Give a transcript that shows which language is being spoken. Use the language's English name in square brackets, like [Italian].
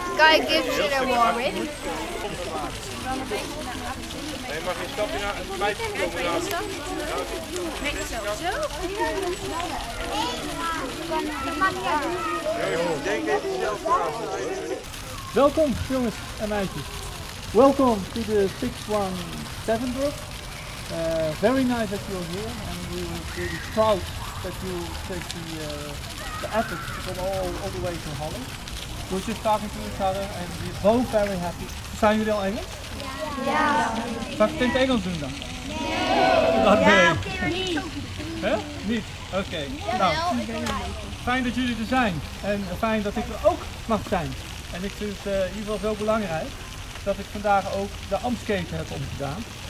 [Dutch] Guy Gibson en Warwick. Welkom jongens en meisjes. [English] Welcome to the 617 group. Very nice that you're here, and we are really proud that you take the effort to come all the way to Holland. We're just talking to each other and we're both very happy. [Dutch] Zijn jullie al Engels? Ja. Zou ik het in het Engels doen dan? Nee. Dat nee. Ja, niet. Huh? Niet. Oké. Nou, fijn dat jullie er zijn en fijn dat ik er ook mag zijn. En ik vind het in ieder geval zo belangrijk dat ik vandaag ook de ambtsketen heb omgedaan.